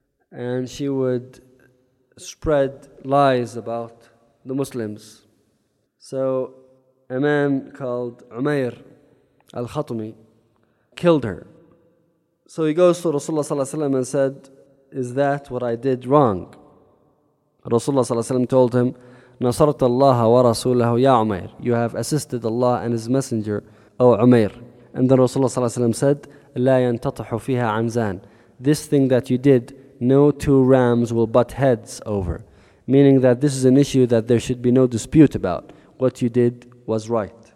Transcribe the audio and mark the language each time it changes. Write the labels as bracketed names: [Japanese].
[English] And she would spread lies about the Muslims. So a man called Umayr al-Khatumi killed her. So he goes to Rasulullah and said, is that what I did wrong? Rasulullah told him, [Arabic] نصرت الله ورسوله يا عمير. [English] You have assisted Allah and His Messenger, O Umayr. And then Rasulullah said, [Arabic] لا ينتطح فيها عنزان. [English] This thing that you did, no two rams will butt heads over. Meaning that this is an issue that there should be no dispute about. What you did was right.